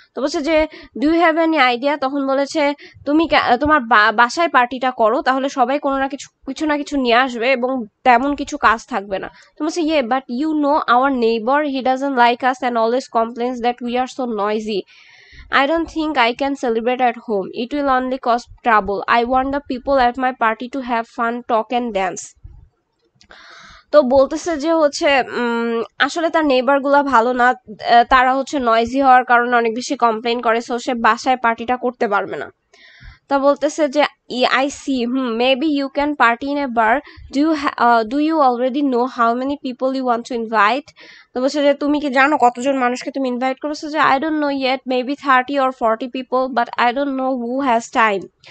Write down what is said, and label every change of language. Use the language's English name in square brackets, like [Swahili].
[Bangla] তো বলছে যে [English] do you have any idea, [Bangla] তখন বলেছে তুমি তোমার বাসায় পার্টিটা করো, তাহলে সবাই কোনো না কিছু কিছু না কিছু নিয়ে আসবে এবং তেমন কিছু কাজ থাকবে না। তো বলছে [English] ইয়ে but you know our neighbour, he doesn't like us and always complains that we are so noisy, I don't think I can celebrate at home. It will only cause trouble. I want the people at my party to have fun, talk and dance. [Bangla] তো বলতেছে যে হচ্ছে আসলে তার নেইবারগুলো ভালো না, তারা হচ্ছে নয়েজি হওয়ার কারণে অনেক বেশি কমপ্লেন করে, সো সে বাসায় পার্টিটা করতে পারবে না। তা বলতেছে যে [English] I see, maybe you can party in a bar, do you already know how many people you want to invite, [Bangla] তো বলছে যে তুমি কি জানো কতজন মানুষকে তুমি ইনভাইট করবে, বলছে যে [English] I don't know yet, maybe 30 or 40 people, but I don't know who has time,